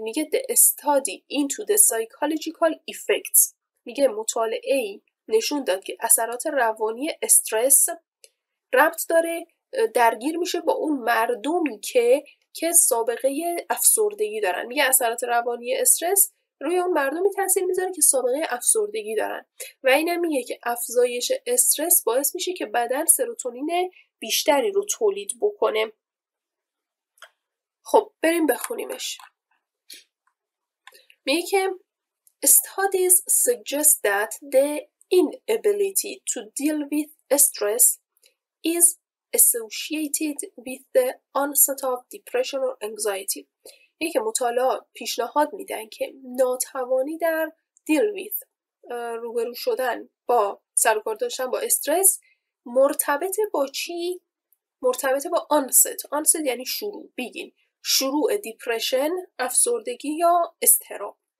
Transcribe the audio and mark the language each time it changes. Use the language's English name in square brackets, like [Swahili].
[Persian] میگه [English] the study into the psychological effects، [Persian] میگه مطالعه ای نشون داد که اثرات روانی استرس ربط داره، درگیر میشه با اون مردمی که سابقه افسردگی دارن. میگه اثرات روانی استرس روی اون مردمی تاثیر میذاره که سابقه افسردگی دارن. و اینم میگه که افزایش استرس باعث میشه که بدن سروتونین بیشتری رو تولید بکنه. خب بریم بخونیمش. میگه که [English] studies suggest that the inability to deal with stress is associated with the onset of depression or anxiety. [Persian] یکی مطالعات پیشنهاد میدن که ناتوانی در [English] deal with، [Persian] روبرو شدن با، سرکار داشتن با استرس، مرتبط با چی؟ مرتبط با onset. onset یعنی شروع، بگین شروع دیپریشن، افسردگی یا استراب.